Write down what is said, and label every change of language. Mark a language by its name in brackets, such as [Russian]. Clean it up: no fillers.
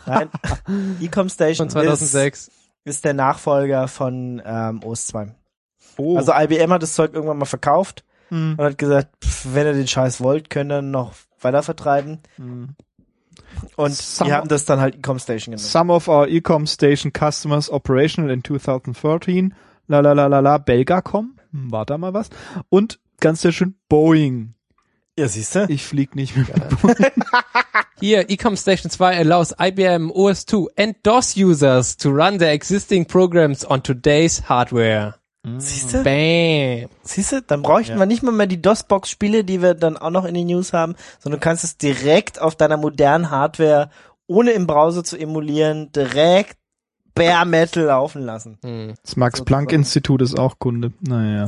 [German] Nein. Ecom Station von 2006 ist der Nachfolger von OS 2. Oh. Also IBM hat das Zeug irgendwann mal verkauft. Und hat gesagt, wenn ihr den Scheiß wollt, könnt ihr noch weiter vertreiben. Und wir haben das dann halt Ecom Station genannt. [English] Some of our Ecom Station customers operational in 2013. [German] Lalalala, Belgacom. War da mal was. Und ganz sehr schön Boeing. Ja, siehst du? Ich flieg nicht mit Boeing. [English] Hier, Ecom Station 2 allows IBM OS 2 and DOS users to run their existing programs on today's hardware. [German] Siehste? Bam. Siehste? Dann bräuchten wir nicht mal die DOS-Box-Spiele, die wir dann auch noch in den News haben, sondern du kannst es direkt auf deiner modernen Hardware, ohne im Browser zu emulieren, direkt Bare Metal laufen lassen. Das Max-Planck-Institut ist auch Kunde. Naja.